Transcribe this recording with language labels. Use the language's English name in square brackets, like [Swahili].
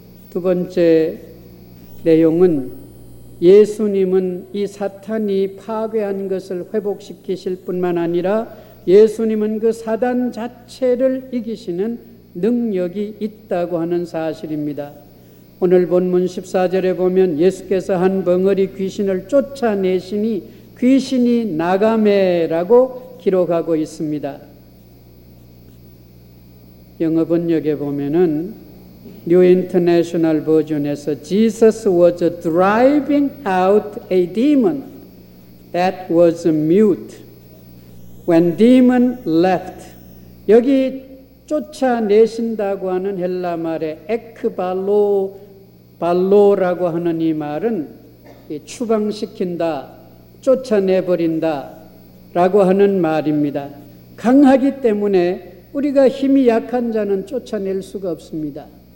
[Korean] 두 번째 내용은 예수님은 이 사탄이 파괴한 것을 회복시키실 뿐만 아니라 예수님은 그 사단 자체를 이기시는 능력이 있다고 하는 사실입니다. 오늘 본문 14절에 보면 예수께서 한 벙어리 귀신을 쫓아내시니 귀신이 나가매라고 기록하고 있습니다. 영어 번역에 보면은 [English] New International Version에서 Jesus was driving out a demon that was mute when demon left. [Korean] 여기 쫓아내신다고 하는 헬라 말의 에크발로 발로라고 하는 이 말은 추방시킨다, 쫓아내버린다 라고 하는 말입니다. 강하기 때문에 우리가 힘이 약한 자는 쫓아낼 수가 없습니다.